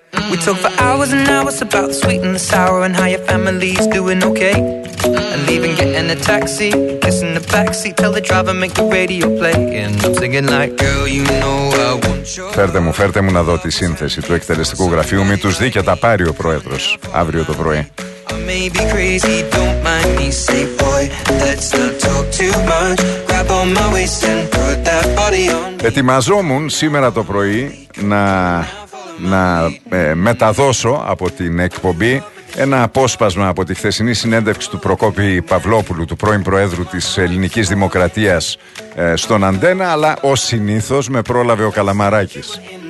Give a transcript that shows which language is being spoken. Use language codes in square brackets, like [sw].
[en] We talk for hours and hours about the sweet and the sour and how your family's doing okay. And leaving, getting a taxi, kissing the backseat, tell the driver make the radio play. And I'm singing like, girl, you know I want your. [el] Φέρτε μου να δω τη σύνθεση του εκτελεστικού γραφείου. Μην τους δει και τα πάρει ο πρόεδρος αύριο το πρωί. [en] I may be crazy, don't mind me, say boy, let's not talk too much. Grab on my waist and put that body on. [el] Ετοιμαζόμουν σήμερα το πρωί να μεταδώσω από την εκπομπή ένα απόσπασμα από τη χθεσινή συνέντευξη του Προκόπη Παυλόπουλου, του πρώην Προέδρου της Ελληνικής Δημοκρατίας, στον Αντένα, αλλά ως συνήθως με πρόλαβε ο Καλαμαράκης.